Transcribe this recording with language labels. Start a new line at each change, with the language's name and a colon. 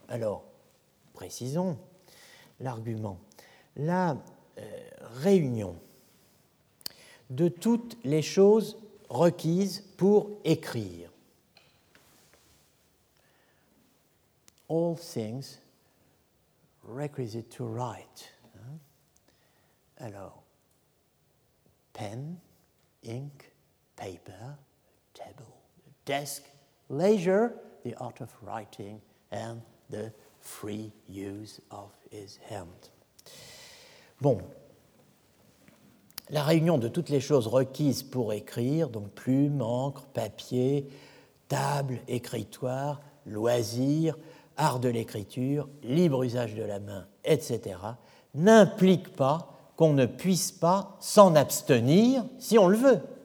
French: Alors, précisons l'argument. La réunion de toutes les choses requises pour écrire.
English: All things requisite to write. Alors, pen, ink, paper, table, desk, leisure, the art of writing, and the free use of his hand.
French: Bon. La réunion de toutes les choses requises pour écrire, donc plume, encre, papier, table, écritoire, loisir, art de l'écriture, libre usage de la main, etc., n'implique pas qu'on ne puisse pas s'en abstenir si on le veut.